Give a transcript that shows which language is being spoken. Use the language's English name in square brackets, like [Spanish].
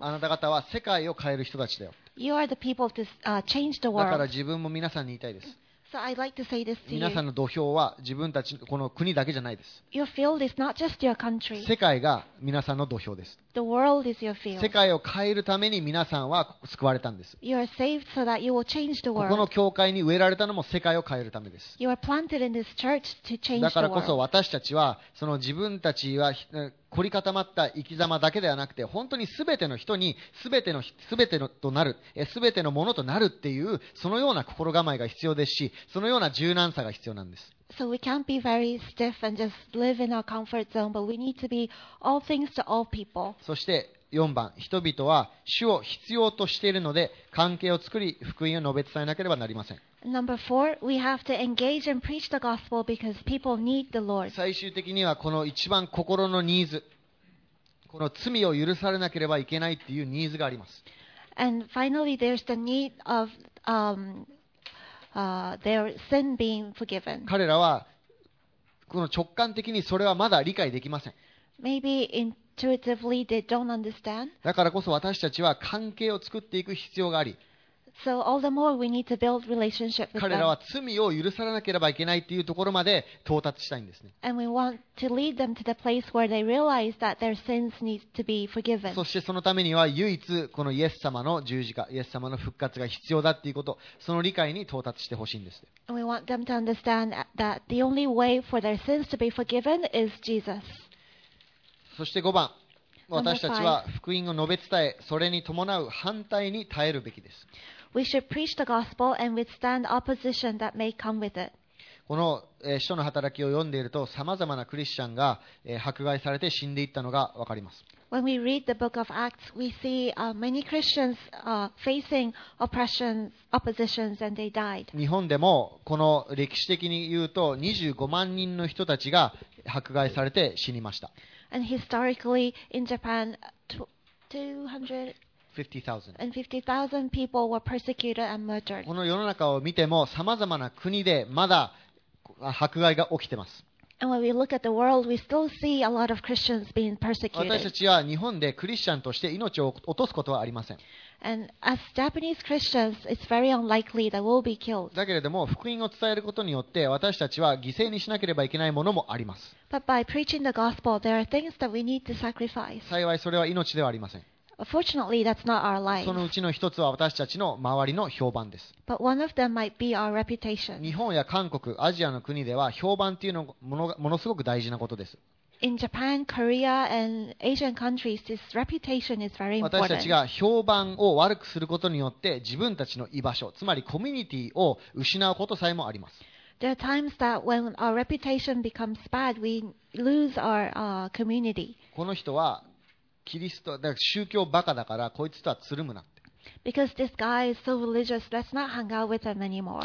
[Japanese] あなた方は世界を変える人たちだよ。 [English] You are the people to change the world. [Japanese] だから自分も皆さんに言いたいです。 [English] So I'd like to say this to you. [Japanese] 皆さんの土俵は自分たちこの国だけじゃないです。 [English] Your field is not just your country. [Japanese] 世界が皆さんの土俵です。 [English] The world is your field. [Japanese] 世界を変えるために皆さんは救われたんです。 [English] You are saved so that you will change the world. [Japanese] ここの教会に植えられたのも世界を変えるためです。 [English] You are planted in this church to change the world. [Japanese] だからこそ私たちはその自分たちは凝り固まった生き様だけではなくて、本当にすべての人にすべてのとなる、すべてのものとなるっていう、そのような心構えが必要ですし、そのような柔軟さが必要なんです。 [English] So we can't be very stiff and just live in our comfort zone, but we need to be all things to all people. [Japanese] そして4番、人々は主を必要としているので、関係を作り、福音を述べ伝えなければなりません。 [English] Number four, we have to engage and preach the gospel because people need the Lord. [Japanese] 最終的にはこの一番心のニーズ、この罪を許されなければいけないっていうニーズがあります。 [English] And finally, there's the need of their sin being forgiven. [Japanese] 彼らはこの直感的にそれはまだ理解できません。 [English] Maybe intuitively they don't understand. [Japanese] だからこそ私たちは関係を作っていく必要があり。 [English] So all the more we need to build relationship with them. [Japanese] 彼らは罪を許されなければいけないっていうところまで到達したいんですね。 [English] And we want to lead them to the place where they realize that their sins need to be forgiven. [Japanese] そしてそのためには唯一このイエス様の十字架、イエス様の復活が必要だっていうこと、その理解に到達してほしいんです。 [English] And we want them to understand that the only way for their sins to be forgiven is Jesus. [Japanese] そして5番。私たちは福音を述べ伝え、それに伴う反対に耐えるべきです。 [English] We should preach the gospel and withstand opposition that may come with it. [Japanese] この使徒の働きを読んでいると、さまざまなクリスチャンが迫害されて死んでいったのがわかります。 [English] When we read the book of Acts, we see many Christians facing oppositions and they died. [Japanese] 日本でもこの歴史的に言うと25万人の人たちが迫害されて死にました。 [English] And historically in Japan, 250,000 people were persecuted and murdered. [Japanese] この世の中を見ても様々な国でまだ迫害が起きてます。私たちは日本でクリスチャンとして命を落とすことはありません。 [English] And as Japanese Christians, it's very unlikely that we'll be killed. [Japanese] だけれども福音を伝えることによって私たちは犠牲にしなければいけないものもあります。 [English] But by preaching the gospel, there are things that we need to sacrifice. [Japanese] 幸いそれは命ではありません。 [English] Fortunately, that's not our life. [Japanese] そのうちの一つは私たちの周りの評判です。 [English] But one of them might be our reputation. [Japanese] 日本や韓国、アジアの国では評判というのがものすごく大事なことです。 [English] In Japan, Korea, and Asian countries, this reputation is very important. [Japanese] 私たちが評判を悪くすることによって自分たちの居場所、つまりコミュニティを失うことさえもあります。 [English] There are times that when our reputation becomes bad, we lose our community. [Japanese] この人はキリストだから宗教バカだからこいつとはつるむなって。 [English] Because this guy is so religious, let's not hang out with him anymore.